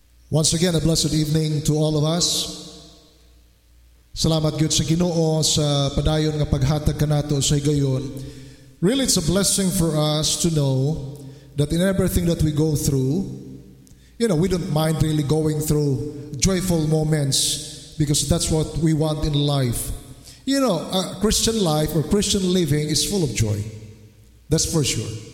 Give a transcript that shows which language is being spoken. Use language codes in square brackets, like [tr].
[en] Once again, a blessed evening to all of us. [ceb] Salamat gyud sa Ginoo sa padayon nga paghatag kanato sa higayon. [en] Really, it's a blessing for us to know that in everything that we go through, you know, we don't mind really going through joyful moments because that's what we want in life. You know, a Christian life or Christian living is full of joy. That's for sure.